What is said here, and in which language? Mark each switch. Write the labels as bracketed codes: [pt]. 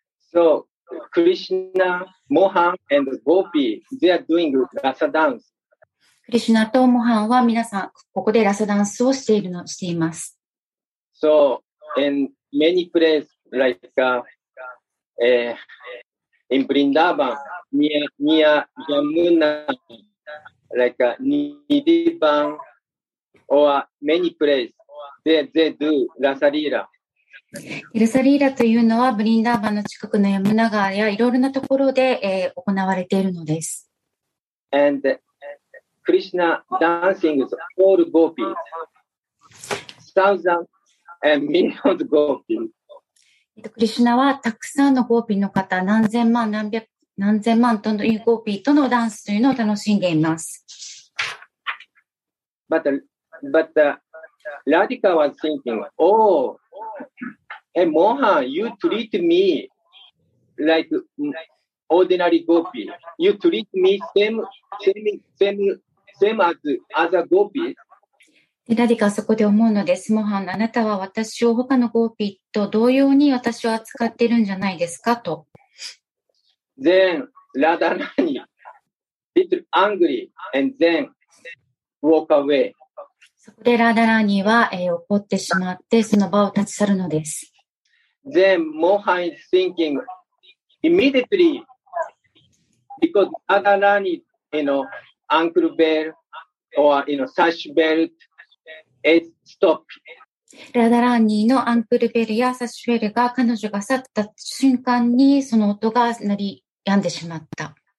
[en] So, Krishna, Mohan and Gopi, they are doing Rasa dance. [ja] クリシュナとモハンは皆さんここでラサダンスをしています。 [en] So, in many places like, in Vrindavan, near Yamuna, like, Nidivan, or many places, They do Rasalila. [ja] Rasalila というのはブリンダーバンの近くのヤムナ川やいろいろなところで、行われているのです。 [en] And Krishna dancing with all gopis. Thousands and millions of gopis. [ja] クリシュナはたくさんのゴーピーの方、何千万、何百、何千万とのゴーピーとのダンスというのを楽しんでいます。 [en] But Radhika was thinking, oh, hey, Mohan, you treat me like ordinary gopi. You treat me same as other gopis. [ja] ラディカはそこで思うのです。モハン、あなたは私を他のゴーピーと同様に私を扱っているんじゃないですかと。 [en] Then Radha Rani little angry and then walk away。 [ja] そこでラダラニは、怒ってしまってその場を立ち去るのです。 [en] Then Mohan is thinking immediately because Radha Rani you know ankle belt or you know sash beltStop. [ja] ラダラーニーのアンクルベルやサッシュベルが彼女が去った瞬間にその音が鳴り止んでしまった。